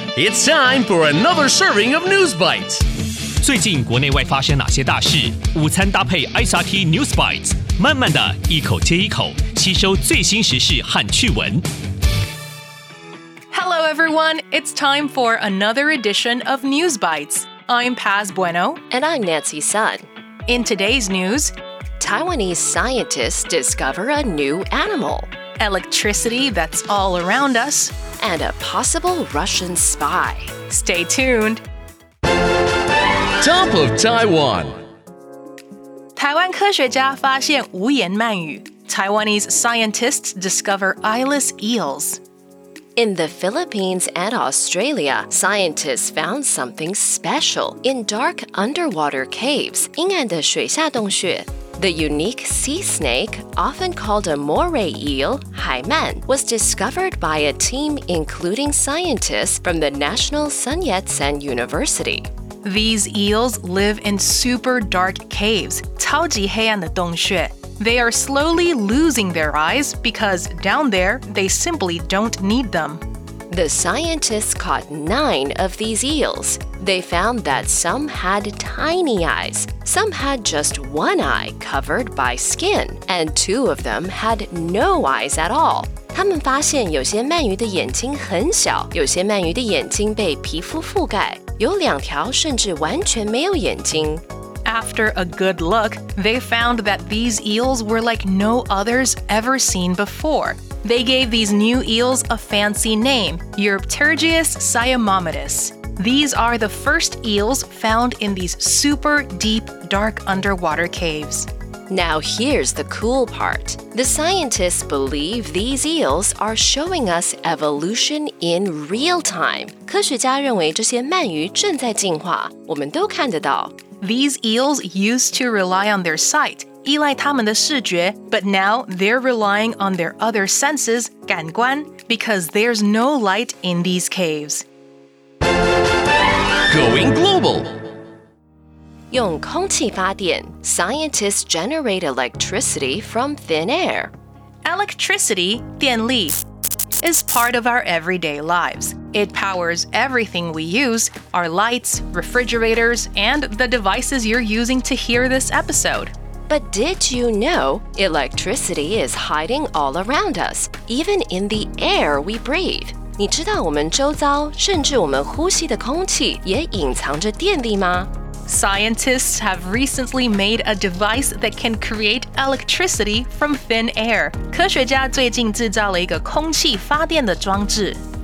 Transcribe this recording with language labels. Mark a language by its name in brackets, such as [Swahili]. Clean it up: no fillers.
[English] It's time for another serving of News Bites. [Chinese] 最近国内外发生哪些大事？午餐搭配 SRT News Bites， 慢慢的一口接一口，吸收最新时事和趣闻。 [English] Hello everyone, it's time for another edition of News Bites. I'm Paz Bueno. And I'm Nancy Sun. In today's news, Taiwanese scientists discover a new animal. Electricity that's all around us. And a possible Russian spy. Stay tuned. Top of Taiwan. [Chinese] 台湾科学家发现无言鳗鱼。 [English] Taiwanese scientists discover eyeless eels. In the Philippines and Australia, scientists found something special in dark underwater caves. [Chinese] 阴暗的水下洞穴 [English] The unique sea snake, often called a moray eel, [Chinese] 海鳗, [English] was discovered by a team including scientists from the National Sun Yat-sen University. These eels live in super dark caves, [Chinese] 超级黑暗的洞穴。 [English] They are slowly losing their eyes because down there, they simply don't need them. The scientists caught 9 of these eels. They found that some had tiny eyes, some had just one eye covered by skin, and 2 of them had no eyes at all. [Chinese] 他们发现有些鳗鱼的眼睛很小，有些鳗鱼的眼睛被皮肤覆盖，有两条甚至完全没有眼睛。 [English] After a good look, they found that these eels were like no others ever seen before. They gave these new eels a fancy name, Eurypterygius cyamomatis. These are the first eels found in these super deep, dark underwater caves. Now here's the cool part. The scientists believe these eels are showing us evolution in real time. [Chinese] 科学家认为这些鳗鱼正在进化，我们都看得到。 [English] These eels used to rely on their sight, [Chinese] 依赖他们的视觉, [English] but now they're relying on their other senses, [Chinese] 感官, [English] because there's no light in these caves. Going global. [Chinese] 用空气发电, [English] scientists generate electricity from thin air. Electricity, [Chinese] 电力, [English] is part of our everyday lives. It powers everything we use, our lights, refrigerators, and the devices you're using to hear this episode. But did you know electricity is hiding all around us, even in the air we breathe? [Chinese] 你知道我们周遭甚至我们呼吸的空气也隐藏着电力吗? [English] Scientists have recently made a device that can create electricity from thin air. [Chinese] 科学家最近制造了一个空气发电的装置。